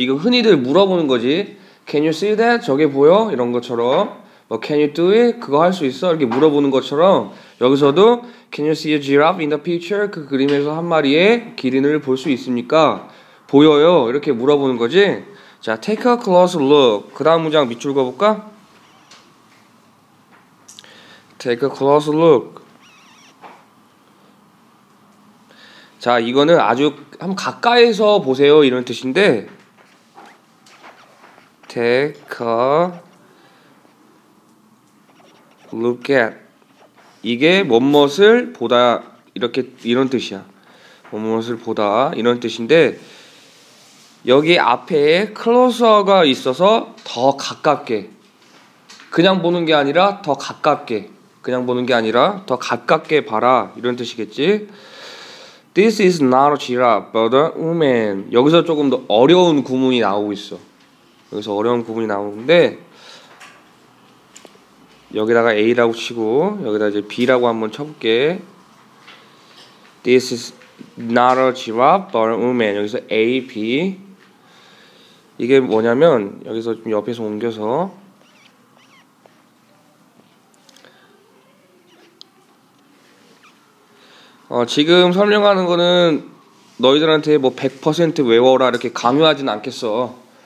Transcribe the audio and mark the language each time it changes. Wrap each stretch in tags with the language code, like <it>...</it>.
<ko>이거 흔히들 물어보는 거지.</ko> <en>Can you see that?</en> <ko>저게 보여? 이런 것처럼. 뭐</ko> <en>Can you do it?</en> <ko>그거 할 수 있어? 이렇게 물어보는 것처럼. 여기서도</ko> <en>Can you see a giraffe in the picture?</en> <ko>그 그림에서 한 마리의 기린을 볼 수 있습니까? 보여요. 이렇게 물어보는 거지. 자,</ko> <en>take a close look.</en> <ko>그 다음 문장 밑줄 그어볼까?</ko> <en>Take a close look.</en> <ko>자, 이거는 아주 한번 가까이서 보세요 이런 뜻인데</ko> <en>take a look at</en> <ko>이게 뭣뭣을 보다 이렇게 이런 뜻이야. 뭣뭣을 보다 이런 뜻인데 여기 앞에 closer가 있어서 더 가깝게 그냥 보는 게 아니라 더 가깝게 그냥 보는 게 아니라 더 가깝게 봐라 이런 뜻이겠지.</ko> <en>This is not a giraffe, but a woman.</en> <ko>여기서 조금 더 어려운 구문이 나오고 있어. 여기서 어려운 구문이 나오는데 여기다가 A라고 치고 여기다 이제 B라고 한번 쳐볼게.</ko> <en>This is not a giraffe, but a woman.</en> <ko>여기서 A, B 이게 뭐냐면 여기서 좀 옆에서 옮겨서 지금 설명하는 거는 너희들한테 뭐 100% 외워라 이렇게 강요하진 않겠어.</ko>